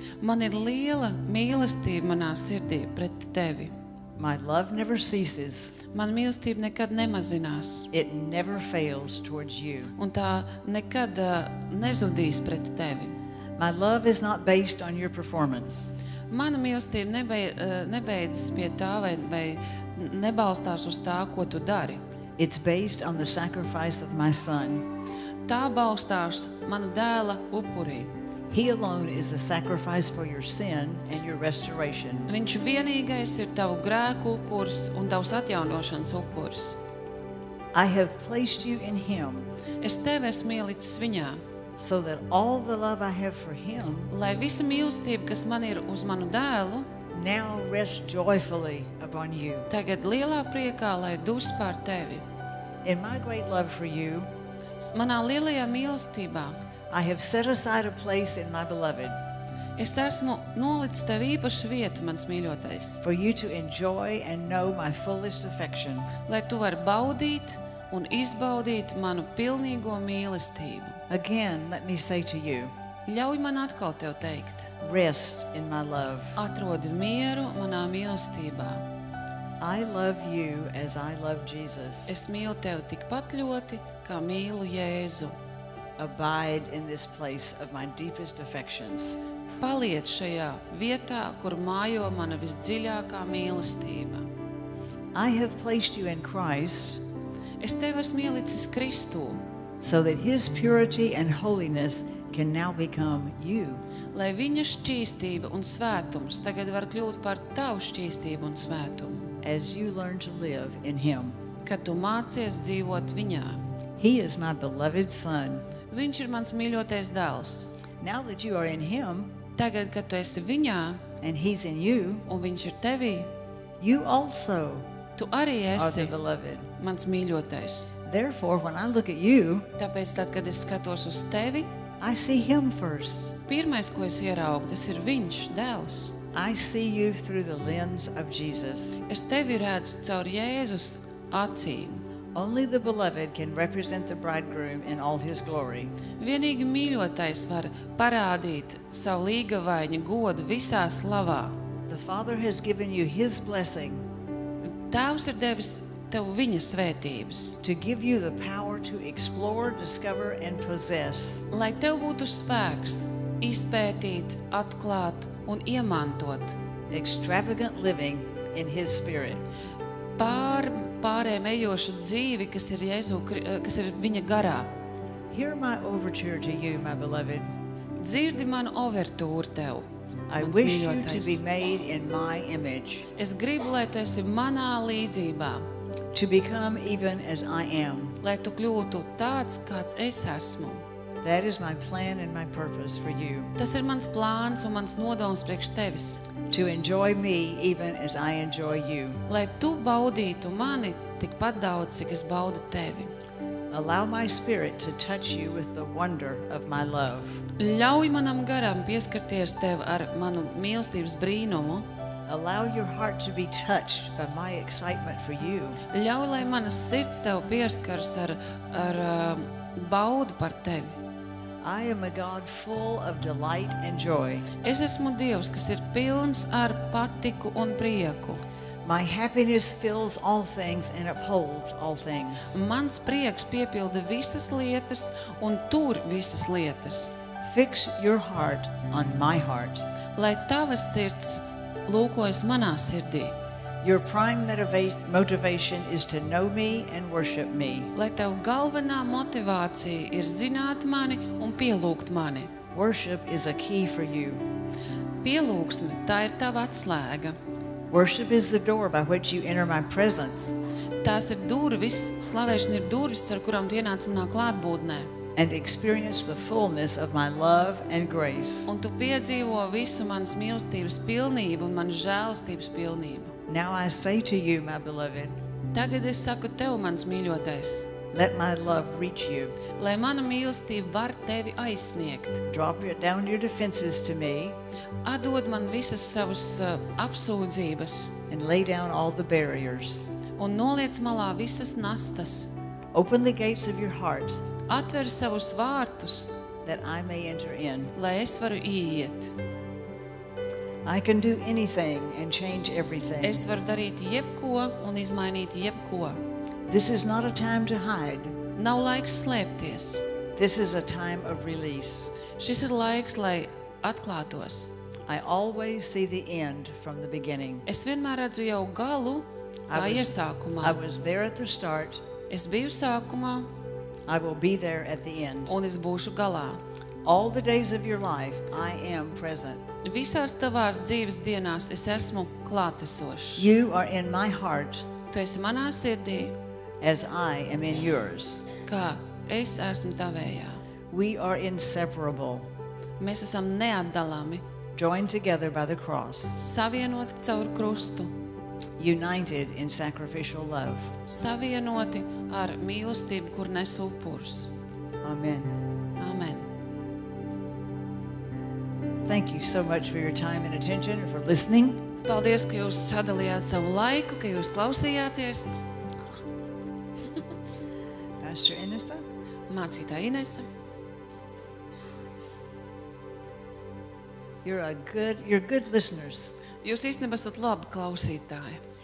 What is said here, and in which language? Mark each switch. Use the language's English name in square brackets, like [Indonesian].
[Latvian] Man ir liela mīlestība manā sirdī pret tevi. [English] My love never ceases. [Latvian] Man mīlestība nekad nemazinās. [English] It never fails towards you. [Latvian] Un tā nekad nezudīs pret tevi. [English] My love is not based on your performance. [Latvian] Mana mīlestība nebeidzas pie tā vai nebalstās uz tā, ko tu dari. [English] It's based on the sacrifice of my son. [Latvian] Tā balstās mana dēla upurī. [English] He alone is the sacrifice for your sin and your restoration. [Latvian] Viņš vienīgais ir tavu grēku upurs un tavs atjaunošanas upurs. [English] I have placed you in him. [Latvian] Es tevi esmu ielicis viņā. [English] So that all the love I have for him. [Latvian] Lai visa mīlestība, kas man ir uz manu dēlu, [English] now rest joyfully upon you. [Latvian] Tagad lielā priekā lai dus pār tevi. [English] In my great love for you. [Latvian] Manā lielajā mīlestībā. [English] I have set aside a place in my beloved. [Latvian] Es esmu nolicis tev īpašu vietu, mans mīļotais. [English] For you to enjoy and know my fullest affection. [Latvian] Lai tu var baudīt un izbaudīt manu pilnīgo mīlestību. [English] Again, let me say to you. [Latvian] Ļauj man atkal tev teikt. [English] Rest in my love. [Latvian] Atrodi mieru manā mīlestībā. [English] I love you as I love Jesus. [Latvian] Es mīlu tevi tikpat ļoti, kā mīlu Jēzu. [English] Abide in this place of my deepest affections. [Latvian] Paliec šajā vietā, kur mājo mana visdziļākā mīlestība. [English] I have placed you in Christ. [Latvian] Es tevi esmu ielicis Kristu. [English] So that his purity and holiness can now become you. [Latvian] Lai viņa šķīstība un svētums tagad var kļūt par tavu šķīstību un svētumu. [English] As you learn to live in him. [Latvian] Kad tu mācies dzīvot viņā. [English] He is my beloved son. [Latvian] Viņš ir mans mīļotais dēls. [English] Now that you are in him. [Latvian] Tagad, kad tu esi viņā. [English] And he's in you. [Latvian] Un viņš ir tevī. [English] You also. [Latvian] Tu arī esi. [English] Are the beloved. [Latvian] Mans mīļotais. [English] Therefore, when I look at you, [Latvian] tāpēc tad, kad es skatos uz tevi, [English] I see him first. [Latvian] Pirmais, ko es ieraugu, tas ir viņš, dēls. [English] I see you through the lens of Jesus. [Latvian] Es tevi redzu caur Jēzus acīm. [English] Only the beloved can represent the bridegroom in all his glory. [Latvian] Vienīgi mīļotais var parādīt savu līgavaiņu godu visā slavā. [English] The Father has given you his blessing. [Latvian] Tēvs ir devis tev viņa svētības. [English] To give you the power to explore, discover and possess. [Latvian] Lai tev būtu spēks izpētīt, atklāt un iemantot. [English] Extravagant living in his spirit. [Latvian] Pārējējošu dzīvi, kas ir Jēzu, kas ir viņa garā. [English] Hear my overture to you, my beloved. [Latvian] Dzirdi manu overtūru tev. [English] I wish you to be made in my image. [Latvian] Es gribu, lai tu esi manā līdzībā. [English] To become even as I am. [Latvian] Lai tu kļūtu tāds, kāds es esmu. [English] That is my plan and my purpose for you. [Latvian] Tas ir mans plāns un mans nodoms priekš tevis. [English] To enjoy me even as I enjoy you. [Latvian] Lai tu baudītu mani tikpat daudz, cik es baudu tevi. [English] Allow my spirit to touch you with the wonder of my love. [Latvian] Ļauj manam garam pieskarties tev ar manu mīlestības brīnumu. [English] Allow your heart to be touched by my excitement for you. [Latvian] Ļauj, lai mana sirds tev pieskars ar baudu par tevi. [English] I am a God full of delight and joy. [Latvian] Es esmu Dievs, kas ir pilns ar patiku un prieku. [English] My happiness fills all things and upholds all things. [Latvian] Mans prieks piepilda visas lietas un tur visas lietas. [English] Fix your heart on my heart. [Latvian] Lai tavas sirds lūkojas manā sirdī. [English] Your prime motivation is to know me and worship me. [Latvian] Lai tev galvenā motivācija ir zināt mani un pielūgt mani. [English] Worship is a key for you. [Latvian] Pielūgsme, tā ir tava atslēga. [English] Worship is the door by which you enter my presence. [Latvian] Tās ir durvis, slavēšana ir durvis, ar kurām tu ienāc manā klātbūtnē. [English] And experience the fullness of my love and grace. [Latvian] Un tu piedzīvo visu manas mīlestības pilnību un manas žēlastības pilnību. [English] Now I say to you, my beloved. [Latvian] Tagad es saku tev, mans mīļotais. [English] Let my love reach you. [Latvian] Lai mana mīlestība var tevi aizsniegt. [English] Drop down your defenses to me. [Latvian] Atdod man visas savas apsūdzības. [English] And lay down all the barriers. [Latvian] Un noliec malā visas nastas. [English] Open the gates of your heart. [Latvian] Atver savus vārtus. [English] That I may enter in. [Latvian] Lai es varu ieiet. [English] I can do anything and change everything. [Latvian] Es varu darīt jebko un izmainīt jebko. [English] This is not a time to hide. [Latvian] Nav laiks slēpties. [English] This is a time of release. [Latvian] Šis ir laiks, lai atklātos. [English] I always see the end from the beginning. [Latvian] Es vienmēr redzu jau galu tā iesākumā. [English] I was there at the start. [Latvian] Es biju sākumā. [English] I will be there at the end. [Latvian] Un es būšu galā. [English] All the days of your life, I am present. [Latvian] Visās tavās dzīves dienās es esmu klātesošs. [English] You are in my heart. [Latvian] Tu esi manā sirdī. [English] As I am in yours. [Latvian] Kā es esmu tavējā. [English] We are inseparable. [Latvian] Mēs esam neatdalāmi. [English] Joined together by the cross. [Latvian] Savienoti caur krustu. [English] United in sacrificial love. [Latvian] Savienoti ar mīlestību, kur nes upurs. [English] Amen. [Latvian] Amen. [English] Thank you so much for your time and attention and for listening. [Latvian] Paldies, ka jūs sadalījāt savu laiku, ka jūs klausījāties. [English] Pastor Inesa. [Latvian] Mācītā Inesa. [English] You're good listeners. [Latvian] Jūs īstenībā esat labi klausītāji.